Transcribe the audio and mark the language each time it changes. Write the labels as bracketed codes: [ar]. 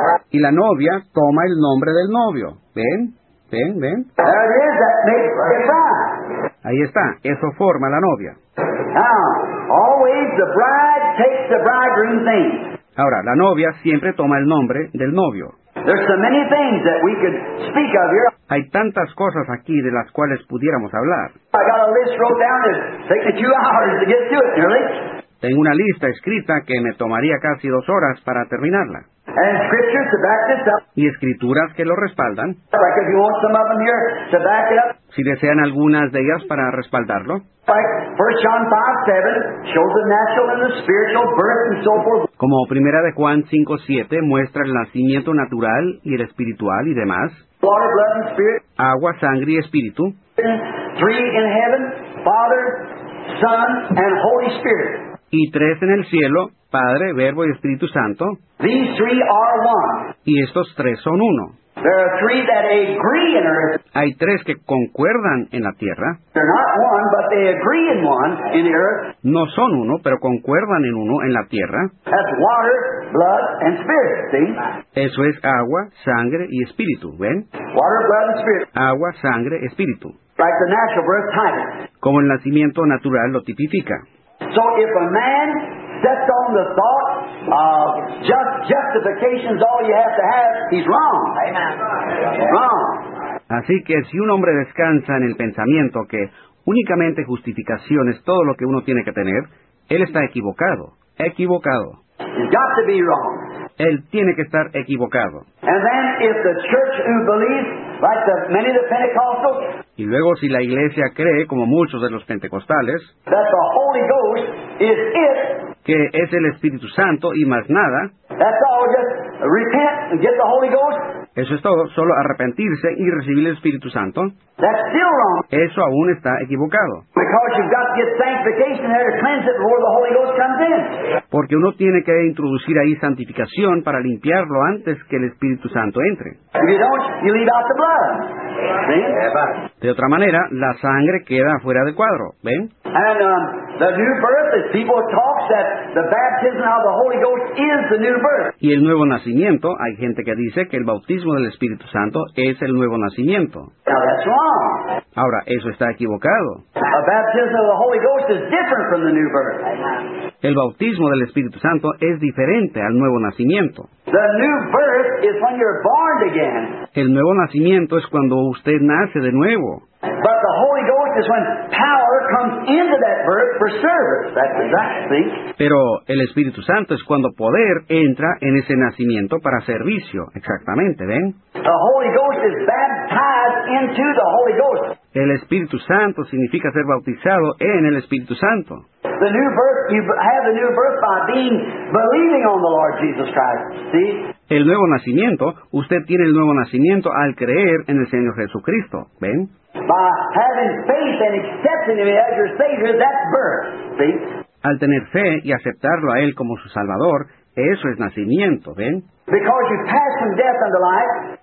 [es] Y la novia toma el nombre del novio. ¿Ven? ¿Ven? ¿Ven? [en] There it is, that makes the bride. [es] Ahí está. Eso forma la novia. [en] Now, always the bride takes the bridegroom's name. [es] Ahora, la novia siempre toma el nombre del novio. [en] There's so many things that we could speak of here. [es] Hay tantas cosas aquí de las cuales pudiéramos hablar. [en] I got a list wrote down that takes a few hours to get to it, really. [es] Tengo una lista escrita que me tomaría casi 2 horas para terminarla. [en] And scriptures to back this up. [es] Y escrituras que lo respaldan. [en] Like if you want some of them here to back it up. [es] Si desean algunas de ellas para respaldarlo. [en] Like 1 John 5:7 shows the natural and the spiritual birth and so forth. [es] Como 1 Juan 5:7 muestra el nacimiento natural y el espiritual y demás. [en] Water, blood and spirit. [es] Agua, sangre y espíritu. [en] 3 in heaven, Father, Son and Holy Spirit. [es] Y 3 en el cielo, Padre, Verbo y Espíritu Santo. [en] These 3 are one. [es] Y estos 3 son uno. [en] There are 3 that agree in earth. [es] Hay 3 que concuerdan en la tierra. [en] They're not one, but they agree in one in the earth. [es] No son uno, pero concuerdan en uno en la tierra. [en] That's water, blood, and spirit, see? [es] Eso es agua, sangre y espíritu, ¿ven? [en] Water, blood, and spirit. [es] Agua, sangre, espíritu. [en] Like the natural birth type. [es] Como el nacimiento natural lo tipifica. [en] So if a man sets on the thought of justification is all you have, he's wrong. Amen. Wrong. [es] Así que si un hombre descansa en el pensamiento que únicamente justificación es todo lo que uno tiene que tener, él está equivocado. Equivocado. [en] He's got to be wrong. [es] Él tiene que estar equivocado. [en] And then if the church who believes, like the many of the Pentecostals, [es] y luego si la iglesia cree, como muchos de los pentecostales, [en] that the Holy Ghost is it, [es] que es el Espíritu Santo y más nada, [en] that's all, just repent and get the Holy Ghost, [es] eso es todo, solo arrepentirse y recibir el Espíritu Santo, [en] that's still wrong. [es] Eso aún está equivocado. [en] Because you've got to get sanctification there to cleanse it before the Holy Ghost comes in. [es] Porque uno tiene que introducir ahí santificación para limpiarlo antes que el Espíritu Santo entre. [en] If you don't, you leave out the blood. See? [es] De otra manera, la sangre queda fuera de cuadro, ¿ven? [en] And the new birth, as people talk, that the baptism of the Holy Ghost is the new birth. [es] Y el nuevo nacimiento, hay gente que dice que el bautismo del Espíritu Santo es el nuevo nacimiento. [en] Now that's wrong. [es] Ahora, eso está equivocado. [en] A baptism of the Holy Ghost is different from the new birth. [es] El bautismo del Espíritu Santo es diferente al nuevo nacimiento. [en] The new birth is when you're born again. [es] El nuevo nacimiento es cuando usted nace de nuevo. [en] But the Holy Ghost is when power comes into that birth for service. That's exactly. [es] Pero el Espíritu Santo es cuando poder entra en ese nacimiento para servicio. Exactamente, ¿ven? [en] The Holy Ghost is baptized into the Holy Ghost. [es] El Espíritu Santo significa ser bautizado en el Espíritu Santo. [en] The new birth, you have the new birth by being believing on the Lord Jesus Christ. See? [es] El nuevo nacimiento, usted tiene el nuevo nacimiento al creer en el Señor Jesucristo. ¿Ven? [en] By having faith and accepting Him as your Savior, that's birth. See? [es] Al tener fe y aceptarlo a Él como su Salvador, eso es nacimiento. ¿Ven? [en] Because you pass from death unto life.